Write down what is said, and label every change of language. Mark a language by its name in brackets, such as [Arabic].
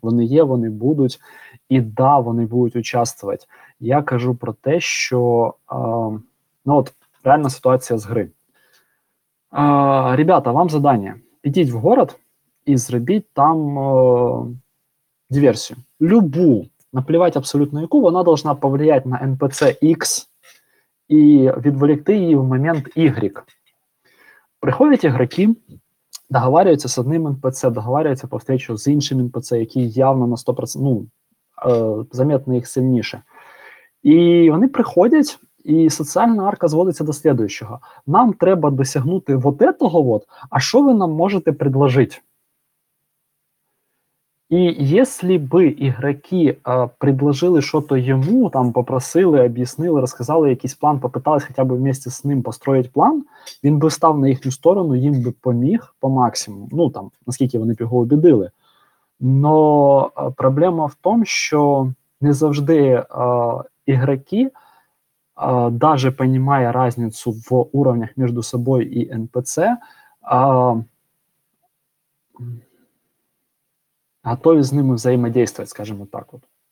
[Ukrainian] Вони є, вони будуть. І да, вони будуть участвувати. Я кажу про те, що реальна ситуація з гри. Ребята, вам задання. Підіть в город і зробіть там диверсію. Любу. Наплівати абсолютно яку. Вона повинна повлияти на NPC X і відволікти її в момент Y. Приходять ігроки, договарюються з одним NPC, договарюються по встречу з іншим NPC, який явно на 100%, замітно їх сильніше. І вони приходять, і соціальна арка зводиться до следующого. Нам треба досягнути [Russian] вот этого вот, [Ukrainian] а що ви нам можете предложити? І якщо би ігроки предложили що-то йому, там попросили, об'яснили, розказали якийсь план, попитались хоча б в місті з ним построїти план, він би став на їхню сторону, їм би поміг по максимуму, наскільки вони б його убедили. [Russian] Но проблема в том, что [Ukrainian] не завжди [Russian] игроки, даже понимая разницу в уровнях между собой и NPC, готовы с ними взаимодействовать, скажем вот так вот.